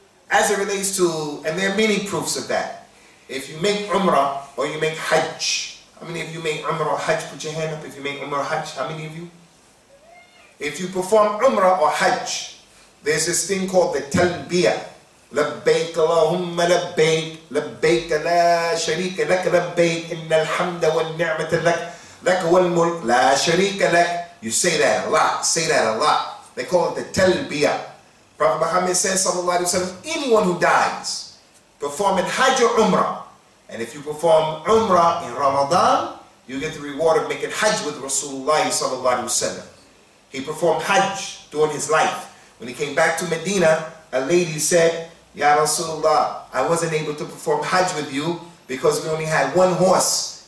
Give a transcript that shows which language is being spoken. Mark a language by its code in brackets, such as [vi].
[en] As it relates to, and there are many proofs of that. If you make Umrah or you make Hajj. How many of you make Umrah or Hajj? Put your hand up if you make Umrah or Hajj. How many of you? If you perform Umrah or Hajj, there's this thing called the Talbiyah. [ar] لبيك اللهم لبيك لبيك لا شريك لك لبيك إن الحمد والنعمة لك لك والملك لا شريك لك. [en] You say that a lot. Say that a lot. They call it the talbiyah. Prophet Muhammad says, sallallahu alaihi wasallam, anyone who dies performing Hajj or Umrah, and if you perform Umrah in Ramadan, you get the reward of making Hajj with Rasulullah sallallahu alaihi wasallam. He performed Hajj during his life. When he came back to Medina, a lady said, Ya Rasulullah, I wasn't able to perform Hajj with you because we only had one horse.